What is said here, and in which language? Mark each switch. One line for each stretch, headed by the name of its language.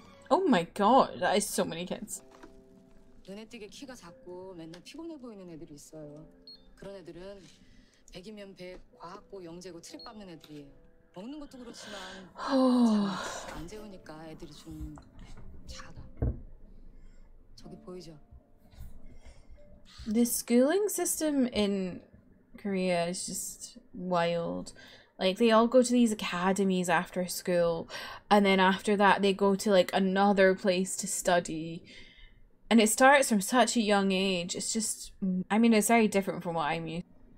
English: Oh my god, that is so many kids.
Korean: 눈에 띄게 키가 작고 맨날 피곤해 보이는 애들이 있어요. 그런 애들은 백이면 백, 과학고, 영재고, 트립 밟는 애들이에요. 먹는 것도 그렇지만 잠을 안 재우니까 애들이 좀 작아. 저기 보이죠?
English: The schooling system in Korea is just wild. Like, they all go to these academies after school, and then after that they go to, like, another place to study. And it starts from such a young age. It's just, I mean, it's very different from what I'm used to.